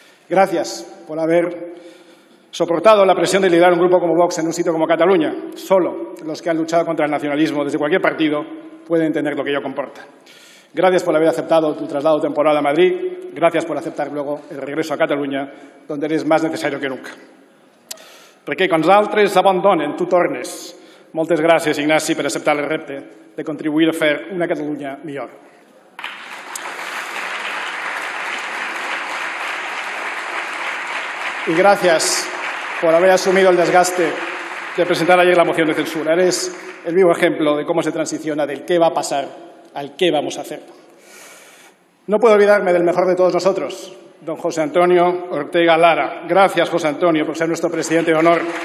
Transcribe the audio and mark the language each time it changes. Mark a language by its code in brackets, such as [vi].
[es] Gracias por haber soportado la presión de liderar un grupo como Vox en un sitio como Cataluña. Solo los que han luchado contra el nacionalismo desde cualquier partido pueden entender lo que ello comporta. Gracias por haber aceptado tu traslado temporal a Madrid. Gracias por aceptar luego el regreso a Cataluña, donde eres más necesario que nunca. [ca] Perquè quan els altres abandonen, tu tornes. Moltes gràcies, Ignasi, per acceptar el repte de contribuir a fer una Catalunya millor. I gràcies per haver assumit el desgaste de presentar [es] ayer [ca] la moció de censura. [es] Eres el vivo ejemplo de cómo se transiciona del qué va a pasar al qué vamos a hacer. No puedo olvidarme del mejor de todos nosotros, don José Antonio Ortega Lara. Gracias, José Antonio, por ser nuestro presidente de honor.